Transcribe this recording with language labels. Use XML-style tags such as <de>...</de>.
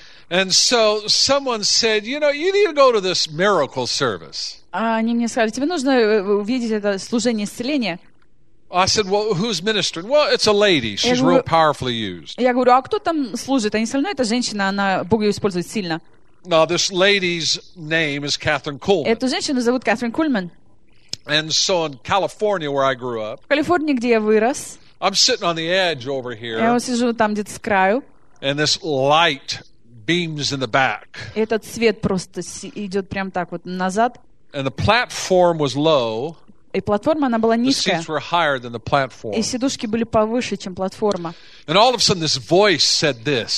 <en>And so someone said, you know, you need to go to this miracle service.</en> <ru>Они мне сказали, тебе нужно увидеть это служение исцеления.</ru> <en>I said, well, who's ministering? Well, it's a lady. She's real powerfully used.</en> <ru>Я говорю, а кто там служит? Они сказали, ну, это женщина, она Бог ее использует сильно.</ru> <en>Now, this lady's name is Catherine Kuhlman.</en> <ru>Эту женщину зовут Кэтрин Кульман.</ru> <en>And so in California, where I grew up.</en> <ru>В Калифорнии, где я вырос.</ru> <en>I'm sitting on the edge over here.</en> <ru>Я вот сижу там где-то с краю.</ru> <en>And this light beams in the back.</en> <ru>Этот свет просто идет прям так вот назад.</ru> <en>And the platform was low.</en> <ru>И платформа она была низкая.</ru> <en>The seats were higher than the platform.</en> <ru>И сидушки были повыше, чем платформа.</ru> <en>And all of a sudden, this voice said this.</en>